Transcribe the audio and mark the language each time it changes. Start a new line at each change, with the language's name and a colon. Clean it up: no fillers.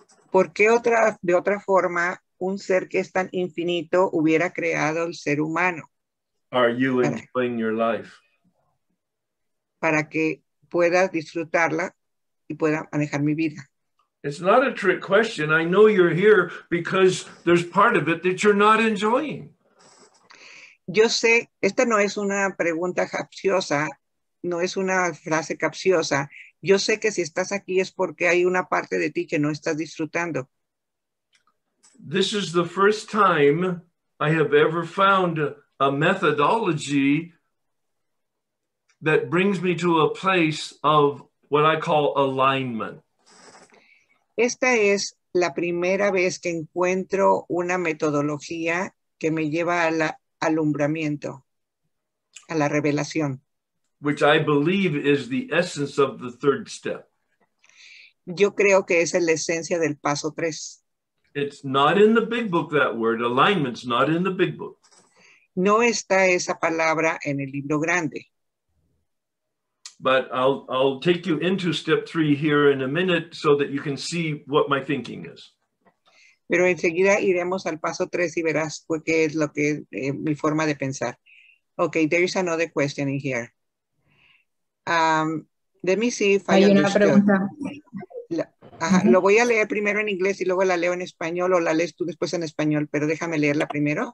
Spanish: ¿Por qué de otra forma un ser que es tan infinito hubiera creado el ser humano?
English: Are you enjoying your life?
Spanish: Para que pueda disfrutarla y pueda manejar mi vida.
English: It's not a trick question. I know you're here because there's part of it that you're not enjoying.
Spanish: Yo sé, esta no es una pregunta capciosa, no es una frase capciosa. Yo sé que si estás aquí es porque hay una parte de ti que no estás disfrutando.
English: This is the first time I have ever found a methodology that brings me to a place of what I call alignment.
Spanish: Esta es la primera vez que encuentro una metodología que me lleva al alumbramiento, a la revelación.
English: Which I believe is the essence of the third step.
Spanish: Yo creo que es la esencia del paso tres.
English: It's not in the big book, that word. Alignment's not in the big book.
Spanish: No está esa palabra en el libro grande.
English: But I'll take you into step three here in a minute so that you can see what my thinking is.
Spanish: Pero enseguida iremos al paso tres y verás qué es lo que mi forma de pensar.
English: Okay, there is another question in here. Let me see if
Spanish: hay
English: I
Spanish: una
English: understood.
Spanish: Pregunta. Lo voy a leer primero en inglés y luego la leo en español o la lees tú después en español, pero déjame leerla primero.